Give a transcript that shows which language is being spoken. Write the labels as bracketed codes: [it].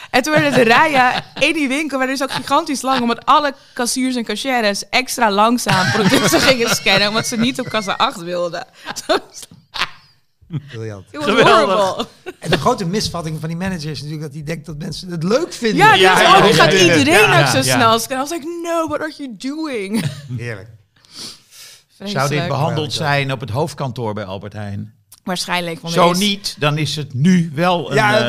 [nl] En toen werden de rijen in die winkel, werden dus ook gigantisch lang, omdat alle kassiers en kassières extra langzaam producten gingen scannen, omdat ze niet op kassa 8 wilden. Briljant. Geweldig. En de grote misvatting van die manager is natuurlijk dat hij denkt dat mensen het leuk vinden. Ja, die is, oh, die gaat iedereen ook zo snel. Ja. En [en] I was like, no, what are you doing? [nl] Heerlijk. Vreselijk. Zou dit behandeld zijn op het hoofdkantoor bij Albert Heijn? Waarschijnlijk. Zo niet, dan is het nu wel een,